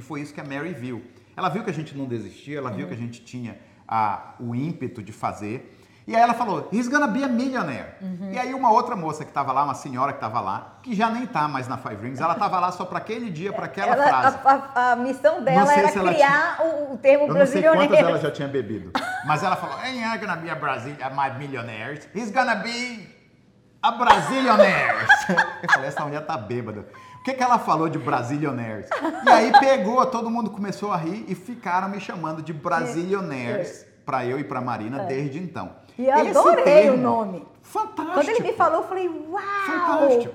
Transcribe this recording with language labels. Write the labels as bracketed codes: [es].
[pt] E foi isso que a Mary viu. Ela viu que a gente não desistia, ela viu que a gente tinha o ímpeto de fazer. E aí ela falou, [en] he's gonna be a millionaire. Uhum. [pt] E aí uma outra moça que estava lá, uma senhora que estava lá, que já nem está mais na Five Rings, ela estava lá só para aquele dia, para aquela frase. A missão dela era criar o termo brasileiro. Eu não sei quantas ela já tinha bebido. Mas ela falou, [en] hey, I'm gonna be a Brazilian, my millionaire. He's gonna be a Brazilianaire. [pt] Eu falei, essa mulher tá bêbada. O que, que ela falou de Brazilianaires? E aí pegou, todo mundo começou a rir e ficaram me chamando de Brazilianaires para eu e para Marina desde então. E eu adorei o nome. Fantástico. Quando ele me falou, eu falei, uau, fantástico.